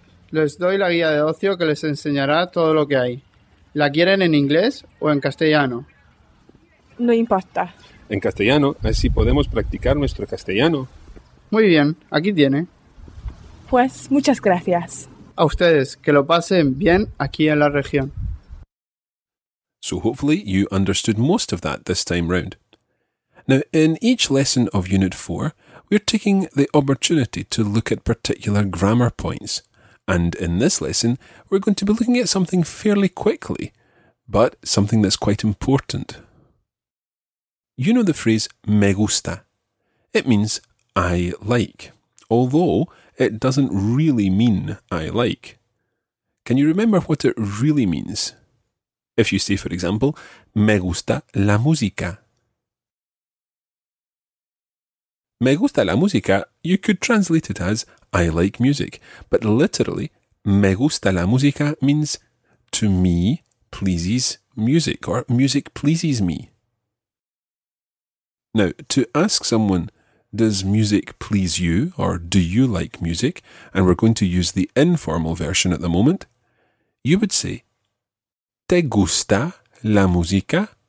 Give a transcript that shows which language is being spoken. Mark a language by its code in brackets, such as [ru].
[es] Les doy la guía de ocio que les enseñará todo lo que hay. ¿La quieren en inglés o en castellano? No importa. En castellano, así podemos practicar nuestro castellano. Muy bien, aquí tiene. Pues muchas gracias. A ustedes, que lo pasen bien aquí en la región. [en] So hopefully you understood most of that this time round. Now, in each lesson of Unit 4, we're taking the opportunity to look at particular grammar points. And in this lesson, we're going to be looking at something fairly quickly, but something that's quite important. You know the phrase [es] me gusta. [en] It means I like, although it doesn't really mean I like. Can you remember what it really means? If you say, for example, [es] me gusta la música. Me gusta la música, [en] you could translate it as I like music, but literally, [es] me gusta la música [en] means to me pleases music or music pleases me. Now, to ask someone, does music please you or do you like music? And we're going to use the informal version at the moment. You would say, [es] ¿te gusta la música?